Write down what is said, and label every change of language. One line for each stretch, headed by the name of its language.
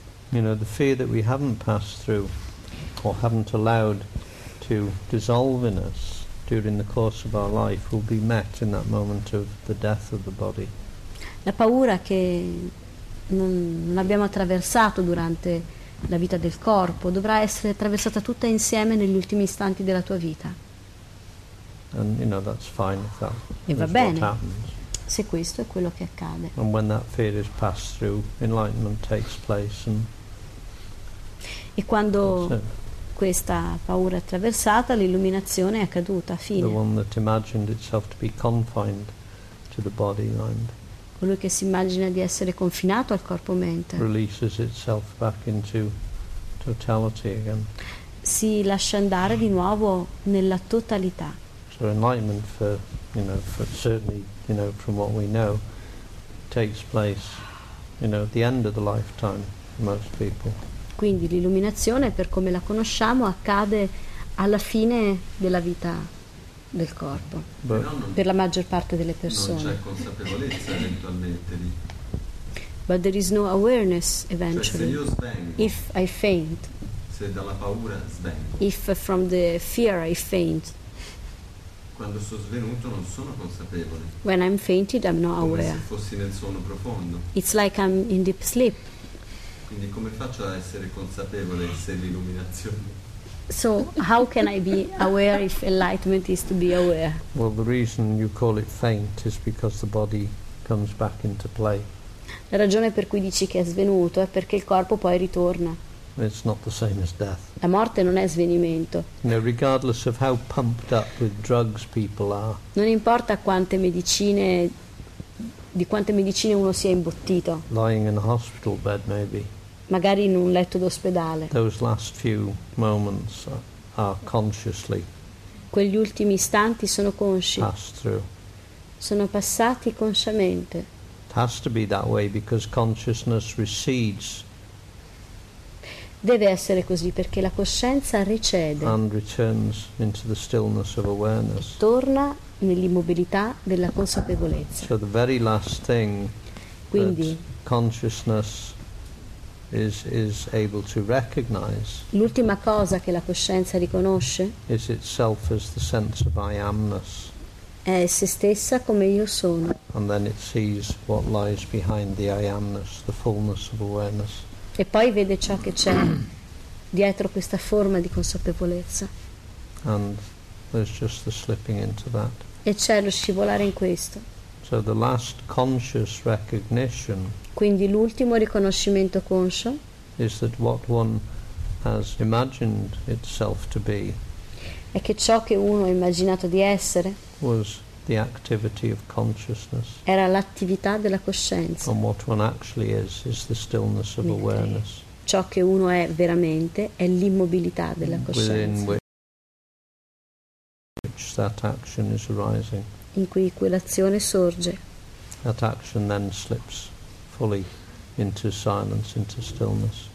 English: You know, the fear that we haven't passed through or haven't allowed to dissolve in us during the course of our life will be met in that moment of the death of the body.
Italian: La paura che non abbiamo attraversato durante la vita del corpo dovrà essere attraversata tutta insieme negli ultimi istanti della tua vita.
English: And you know, that's fine if that
Italian: e va bene
English: what happens.
Italian: Se questo è quello che accade.
English: And when that fear is passed through, enlightenment takes place. And
Italian: e quando questa paura attraversata, l'illuminazione è accaduta, fine.
English: The one that imagined itself to be confined to the body mind.
Italian: Colui che si immagina di essere confinato al corpo mente.
English: Releases itself back into totality again.
Italian: Si lascia andare di nuovo nella totalità.
English: So enlightenment for certainly, you know, from what we know, takes place, you know, at the end of the lifetime for most people.
Italian: Quindi l'illuminazione, per come la conosciamo, accade alla fine della vita del corpo, per la maggior parte delle persone. Non c'è consapevolezza eventualmente lì.
English: But there is no awareness eventually.
Italian: Cioè, se io svengo,
English: if I faint,
Italian: se dalla paura svengo,
English: if from the fear I faint,
Italian: quando sono svenuto non sono consapevole.
English: When I'm fainted I'm not aware.
Italian: Come se fossi nel sonno profondo.
English: It's like I'm in deep sleep.
Italian: Quindi come faccio a essere consapevole se l'illuminazione?
English: So how can I be aware if enlightenment is to be aware? Well, the reason you call it faint is because the body comes back into play.
Italian: La ragione per cui dici che è svenuto è perché il corpo poi ritorna.
English: It's not the same as death.
Italian: La morte non è svenimento.
English: No, regardless of how pumped up with drugs people are.
Italian: Non importa quante medicine di quante medicine uno si è imbottito.
English: Lying in a hospital bed, maybe.
Italian: Magari in un letto d'ospedale.
English: Those last few moments are consciously.
Italian: Quegli ultimi istanti sono consci.
English: Passed through.
Italian: Sono passati consciamente.
English: It has to be that way because consciousness recedes.
Italian: Deve essere così perché la coscienza recede.
English: And returns into the stillness of awareness.
Italian: E torna nell'immobilità della consapevolezza.
English: So the very last thing,
Italian: quindi,
English: that consciousness is able to recognize,
Italian: l'ultima cosa che la coscienza riconosce,
English: is itself as the sense of I am-ness.
Italian: È se stessa come io sono.
English: And then it sees what lies behind the I am-ness, the fullness of awareness.
Italian: E poi vede ciò che c'è dietro questa forma di consapevolezza.
English: And there's just the slipping into that.
Italian: E c'è lo scivolare in questo.
English: So the last conscious recognition.
Italian: Quindi l'ultimo riconoscimento conscio.
English: Is that what one has imagined itself to be.
Italian: È che ciò che uno ha immaginato di essere.
English: Was the activity of consciousness.
Italian: Era l'attività della coscienza.
English: And what one actually is the stillness of awareness.
Italian: Ciò che uno è veramente è l'immobilità della coscienza.
English: That action is arising.
Italian: In cui quell'azione sorge.
English: That action then slips fully into silence, into stillness.